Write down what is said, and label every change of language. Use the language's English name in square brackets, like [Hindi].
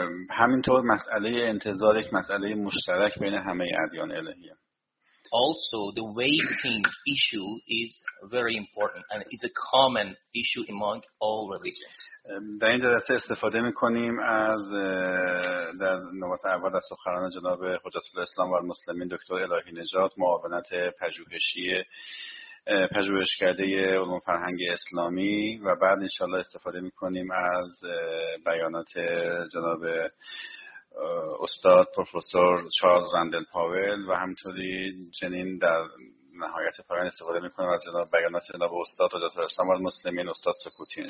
[Persian] همینطور مسئله انتظار یک مسئله مشترک بین همه ادیان الهی. [English] Also, the waiting issue is very important and it's a common issue among all religions. [Persian] در این جلسه استفاده می‌کنیم از در نوبت اول از سخنان جناب حجت الاسلام و المسلمین دکتر الهی نژاد، معاونت پژوهشی پژوهشکده علوم فرهنگ اسلامی، و بعد انشاءالله استفاده میکنیم از بیانات جناب استاد پروفسور چارلز رندل پاول، و همطوری جنین در نهایت پایان استفاده میکنیم از جناب بیانات جناب استاد حجت الاسلام و المسلمین استاد سکوتی.